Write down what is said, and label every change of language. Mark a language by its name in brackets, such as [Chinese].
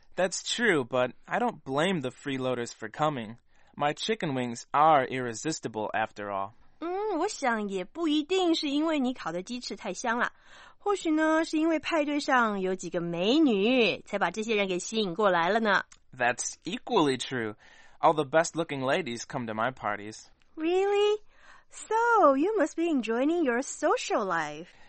[English] That's true, but I don't blame the freeloaders for coming. My chicken wings are irresistible after all. [Chinese] 我想也不一定是因为你烤的鸡翅太香了。或许呢，是因为派对上有几个美女，才把这些人给吸引过来了呢。 [English] That's equally true. All the best-looking ladies come to my parties. Really? So, you must be enjoying your social life.